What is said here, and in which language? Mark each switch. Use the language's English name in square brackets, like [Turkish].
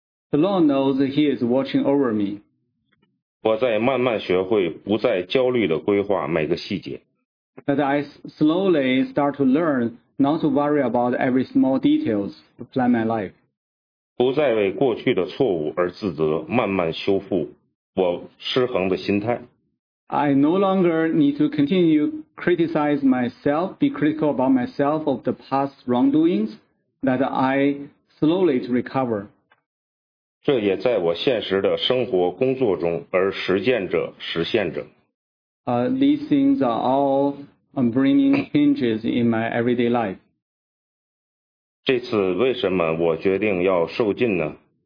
[English] The Lord knows He is watching over me. [Chinese] 我在慢慢学会不再焦虑地规划每个细节。 [English] That I slowly start to learn not to worry about every small details to plan my life. [Chinese] 不再为过去的错误而自责，慢慢修复我失衡的心态。 [English] I no longer need to continue criticize myself, be critical about myself of the past wrongdoings, that I slowly to recover. [Chinese] 这也在我现实的生活工作中而实践着实现着。 [English] These things are all bringing changes in my everyday life. [Chinese] 这次为什么我决定要受浸呢？